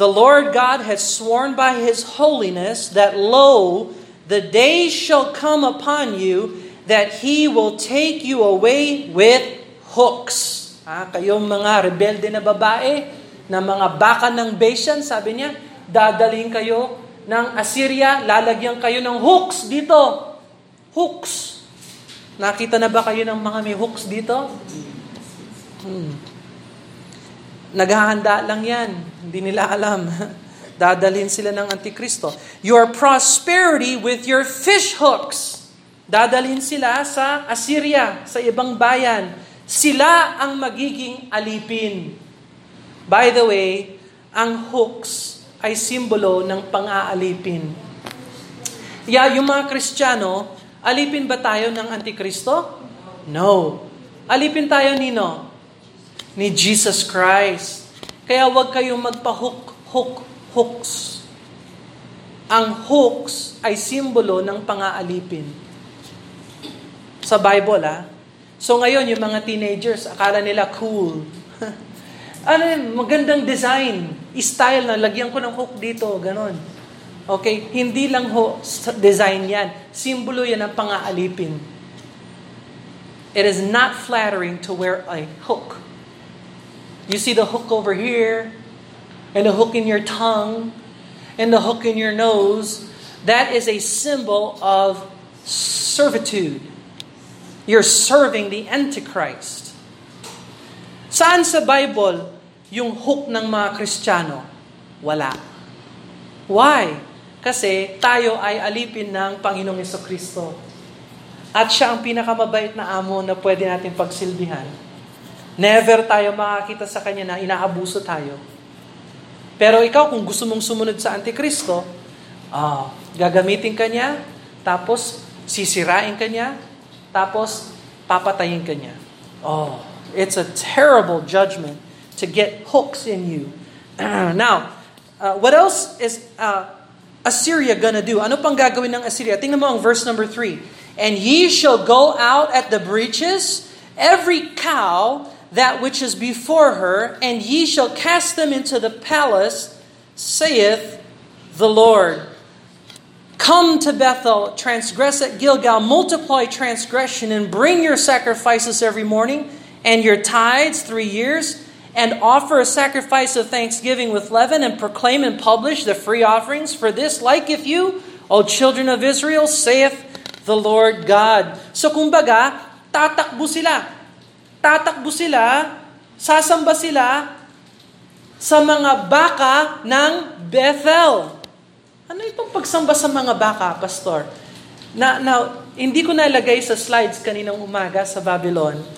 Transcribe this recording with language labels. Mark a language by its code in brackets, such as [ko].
[en] The Lord God has sworn by his holiness that, lo, the day shall come upon you that he will take you away with hooks. [tl] Ah, kayong mga rebelde na babae, na mga baka ng Bashan, sabi niya, dadalhin kayo ng Assyria, lalagyan kayo ng hooks dito. Hooks. Nakita na ba kayo ng mga may hooks dito? Naghahanda lang yan. Hindi nila alam. Dadalhin sila ng Antikristo. [en] Your prosperity with your fish hooks. [tl] Dadalhin sila sa Assyria, sa ibang bayan. Sila ang magiging alipin. [en] By the way, [tl] ang hooks ay simbolo ng pang-aalipin. Yeah, yung mga Kristiyano, alipin ba tayo ng Antikristo? [en] No. [tl] Alipin tayo nino? Ni Jesus Christ. Kaya huwag kayong magpa-hook, hook, hooks. Ang hooks ay simbolo ng pang-aalipin. Sa Bible, ah. So ngayon, yung mga teenagers, akala nila cool. Ano yun? Magandang design. Style na, lagyan ko ng hook dito, ganon. Okay? Hindi lang hook design yan. Simbolo yan ang pang-aalipin. [en] It is not flattering to wear a hook. You see the hook over here, and the hook in your tongue, and the hook in your nose, that is a symbol of servitude. You're serving the Antichrist. [tl] Saan sa Bible yung hook ng mga Kristiyano? Wala. [en] Why? [tl] Kasi tayo ay alipin ng Panginoong Jesucristo. At siya ang pinakamabait na amo na pwede natin pagsilbihan. Never tayo makakita sa kanya na inaabuso tayo. Pero ikaw, kung gusto mong sumunod sa Antikristo, gagamitin kanya, tapos sisirain kanya, tapos papatayin kanya. [en] Oh, it's a terrible judgment to get hooks in you. Now, what else is Assyria gonna do? [tl] Ano pang gagawin ng Assyria? Tingnan mo ang verse number 3. [en] And ye shall go out at the breaches, every cow that which is before her, and ye shall cast them into the palace, saith the Lord. Come to Bethel, transgress at Gilgal, multiply transgression, and bring your sacrifices every morning, and your tithes 3 years, and offer a sacrifice of thanksgiving with leaven, and proclaim and publish the free offerings. For this liketh you, O children of Israel, saith the Lord God. [tl] So kumbaga, tatakbo sila. Tatakbo sila, sasamba sila sa mga baka ng Bethel. Ano itong pagsamba sa mga baka, Pastor? Now, hindi ko nalagay sa slides kaninang umaga sa Babylon.